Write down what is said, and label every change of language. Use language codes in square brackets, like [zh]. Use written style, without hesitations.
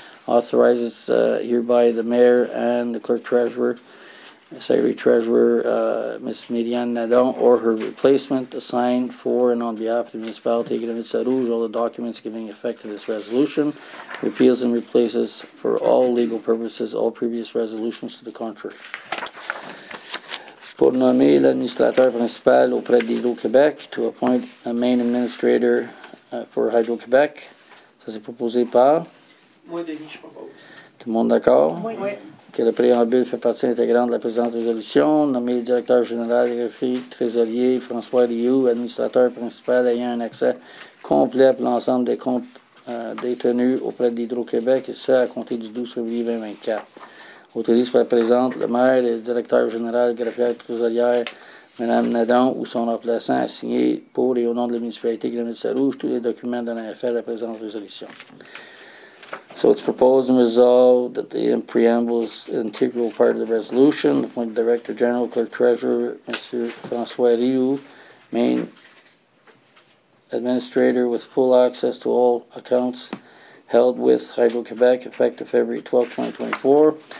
[en] Authorizes hereby the mayor and the clerk treasurer, secretary treasurer, Ms. Myriane Nadon, or her replacement, to sign for and on behalf of the municipality of Grenville-Sarrouge all the documents giving effect to this resolution. Repeals and replaces for all legal purposes all previous resolutions to the contrary. [fr] Pour nommer l'administrateur principal auprès d'Hydro-Québec, [en] to appoint a main administrator for Hydro-Québec, [fr] ça c'est proposé par? Moi, Denis, je propose. Tout le monde d'accord? Oui. Que le préambule fait partie intégrante de la présente résolution. Nommé le directeur général et greffier trésorier François Rioux, administrateur principal ayant un accès complet à l'ensemble des comptes détenus auprès d'Hydro-Québec, et ce, à compter du 12 février 2024. Autorise par la présente le maire et le directeur général greffière trésorière, Mme Nadon, ou son remplaçant, a signé pour et au nom de la municipalité Grenoble-Sarrouge tous les documents de l'AFL à la présente résolution. [en] So it's proposed and resolved that the preamble is an integral part of the resolution. Appointed Director General, Clerk Treasurer, Mr. François Rioux, main administrator with full access to all accounts held with Hydro-Québec, effective February 12, 2024.